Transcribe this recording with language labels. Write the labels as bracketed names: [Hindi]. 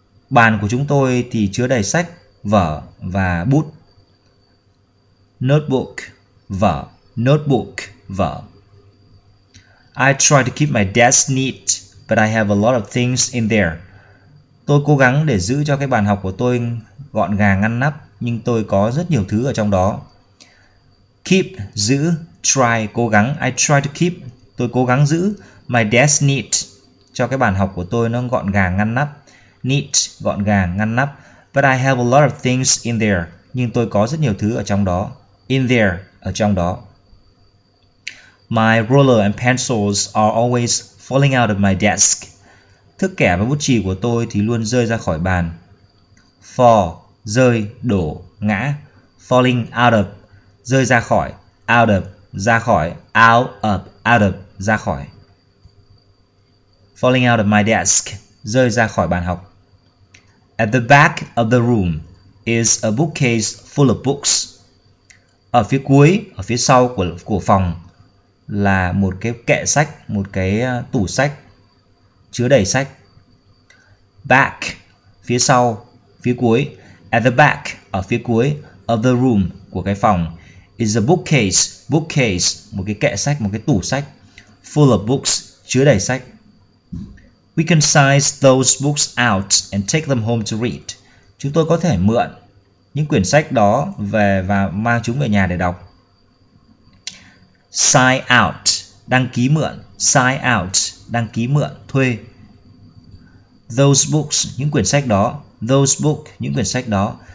[Vietnamese] Bàn của chúng tôi thì chứa đầy sách, vở và bút. Notebook, vở. Notebook, vở. [English] I try to keep my desk neat, but I have a lot of things in there. [Vietnamese] Tôi cố gắng để giữ cho cái bàn học của tôi gọn gàng ngăn nắp, nhưng tôi có rất nhiều thứ ở trong đó. Keep, giữ. Try, cố gắng. [English] I try to keep, [Vietnamese] tôi cố gắng giữ. [English] My desk neat, [Vietnamese] cho cái bàn học của tôi nó gọn gàng ngăn nắp. Neat, gọn gàng ngăn nắp. [English] But I have a lot of things in there. [Vietnamese] Nhưng tôi có rất nhiều thứ ở trong đó. [English] In there, [Vietnamese] ở trong đó. [English] My ruler and pencils are always falling out of my desk. [Vietnamese] Thước kẻ và bút chì của tôi thì luôn rơi ra khỏi bàn. Fall, rơi, đổ, ngã. [English] Falling out of, [Vietnamese] rơi ra khỏi. [English] Out of, [Vietnamese] ra khỏi. Out of, ra khỏi. [English] Falling out of my desk, [Vietnamese] rơi ra khỏi bàn học. [English] At the back of the room, is a bookcase full of books. [Vietnamese] Ở phía cuối, ở phía sau của phòng là một cái kệ sách, một cái tủ sách chứa đầy sách. Back, phía sau, phía cuối. [English] At the back, [Vietnamese] ở phía cuối [English] of the room, [Vietnamese] của cái phòng, [English] is a bookcase, [Vietnamese] bookcase, một cái kệ sách, một cái tủ sách, [English] full of books, [Vietnamese] chứa đầy sách. [English] We can size those books out and take them home to read. [Vietnamese] Chúng tôi có thể mượn những quyển sách đó về và mang chúng về nhà để đọc. [English] Sign out, [Vietnamese] đăng ký mượn. Sign out, đăng ký mượn, thuê. [English] Those books, [Vietnamese] những quyển sách đó. Those books, những quyển sách đó.